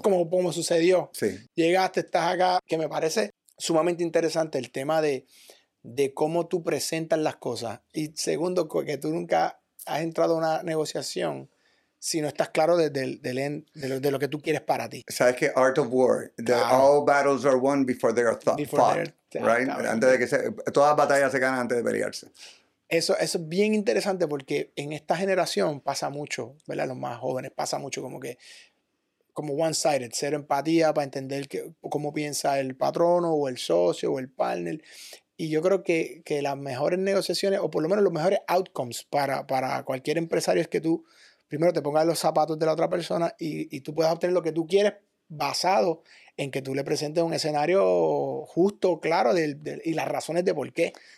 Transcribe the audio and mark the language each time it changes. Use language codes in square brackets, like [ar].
[es] Como sucedió. Sí. Llegaste, estás acá, que me parece sumamente interesante el tema de cómo tú presentas las cosas. Y segundo, que tú nunca has entrado a una negociación si no estás claro de lo que tú quieres para ti. ¿Sabes qué? Art of War. Claro. [en] All battles are won before they are fought. [es] Antes de que todas batallas se ganan antes de pelearse. Eso es bien interesante porque en esta generación pasa mucho, ¿verdad? Los más jóvenes pasa mucho como one-sided, cero empatía para entender cómo piensa el patrono o el socio o el partner. Y yo creo que las mejores negociaciones, o por lo menos los mejores outcomes para cualquier empresario, es que tú primero te pongas los zapatos de la otra persona y tú puedas obtener lo que tú quieres basado en que tú le presentes un escenario justo, claro, y las razones de por qué.